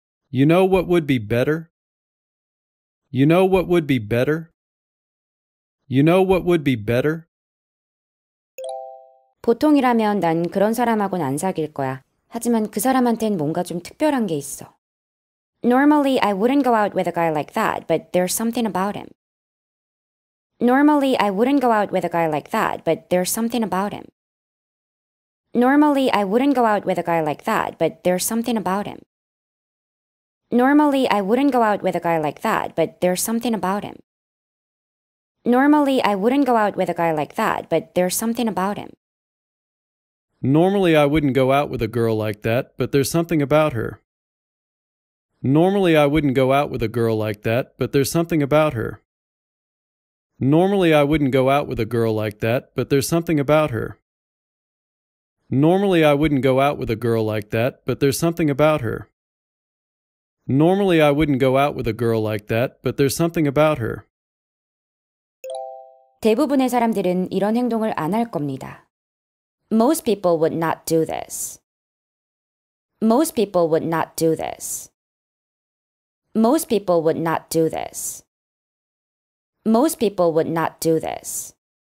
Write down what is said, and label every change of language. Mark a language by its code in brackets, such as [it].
[en] You know what would be better? You know what would be better? You know what would be better? [ko] 보통이라면 난 그런 사람하고는 안 사귈 거야. 하지만 그 사람한테는 뭔가 좀 특별한 게 있어. [en] Normally, I wouldn't go out with a guy like that, but there's something about him. Normally, I wouldn't go out with a guy like that, but there's something about him. Normally, I wouldn't go out with a guy like that, but there's something about him. Normally, I wouldn't go out with a guy like that, but there's something about him. Normally, I wouldn't go out with a guy like that, but there's something about him. Normally, I wouldn't go out with a girl like that, but there's something about her. Normally, I wouldn't go out with a girl like that, but there's something about her. Normally, I wouldn't go out with a girl like that, but there's something about her. Normally, I wouldn't go out with a girl like that, but there's something about her. Normally, I wouldn't go out with a girl like that, but there's something about her. [ko] 대부분의 사람들은 이런 행동을 안 할 겁니다. [en] Most people would not do this. Most people would not do this. Most people would not do this. Most people would not do this.